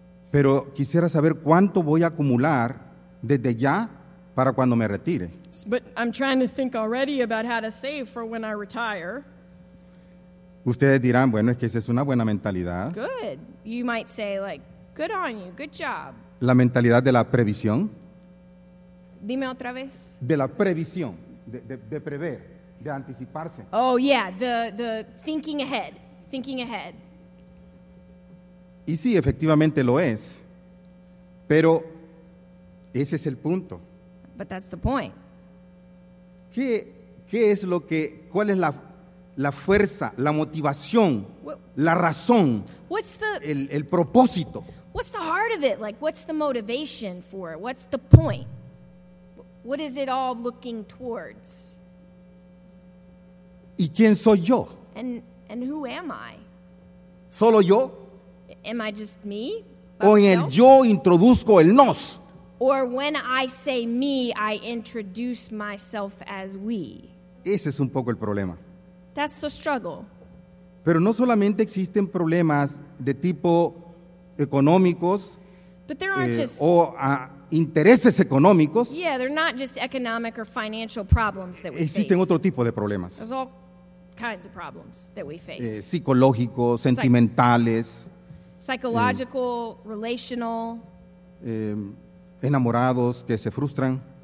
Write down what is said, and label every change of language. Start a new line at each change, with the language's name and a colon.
Spanish: Pero quisiera saber cuánto voy a acumular desde ya para cuando me retire.
English: But I'm trying to think already about how to save for when I retire.
Spanish: Ustedes dirán, bueno, es que esa es una buena mentalidad.
English: Good. You might say, like, good on you, good job.
Spanish: La mentalidad de la previsión. Dime otra vez. De la previsión, de prever, de anticiparse.
English: Oh, yeah, the thinking ahead, thinking ahead.
Spanish: Y sí, efectivamente lo es, pero ese es el punto.
English: But that's the point.
Spanish: ¿Qué es lo que, cuál es la fuerza, la motivación, la razón, el propósito?
English: What's the heart of it? Like, what's the motivation for it? What's the point? What is it all looking towards?
Spanish: ¿Y quién soy yo?
English: And who am I?
Spanish: ¿Solo yo?
English: Am I just me?
Spanish: ¿O en el yo introduzco el nos?
English: Or when I say me, I introduce myself as we.
Spanish: Ese es un poco el problema.
English: That's the struggle.
Spanish: Pero no solamente existen problemas de tipo económicos.
English: But there aren't just...
Spanish: intereses económicos.
English: Yeah, they're not just economic or financial problems that we
Spanish: existen
English: face.
Spanish: Existen otro tipo de problemas.
English: There's all kinds of problems that we face.
Spanish: Psicológicos, sentimentales.
English: Psychological, relational.
Spanish: Enamorados que se frustran.